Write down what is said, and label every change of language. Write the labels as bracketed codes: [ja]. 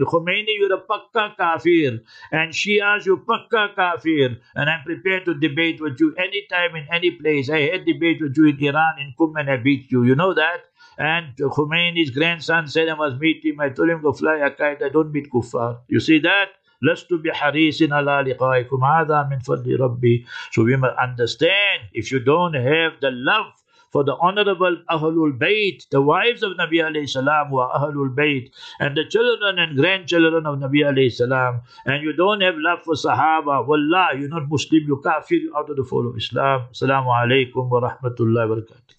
[en] Khomeini, you're a pakka kafir. And Shias, you're pakka kafir. And I'm prepared to debate with you anytime, in any place. I had debate with you in Iran, in Qum, and I beat you. You know that? And Khomeini's grandson said, I must meet him. I told him to fly a kite. I don't meet kuffar. You see that? [ar] لست بحريص على لقائكم هذا من فضل ربي. [en] So we must understand, if you don't have the love for the honorable Ahlul Bayt, the wives of Nabi alayhi salam who are Ahlul Bayt, and the children and grandchildren of Nabi alayhi salam, and you don't have love for Sahaba, wallah, you're not Muslim, you're kafir, you're out of the fold of Islam. Assalamu alaikum wa rahmatullahi wa barakatuh.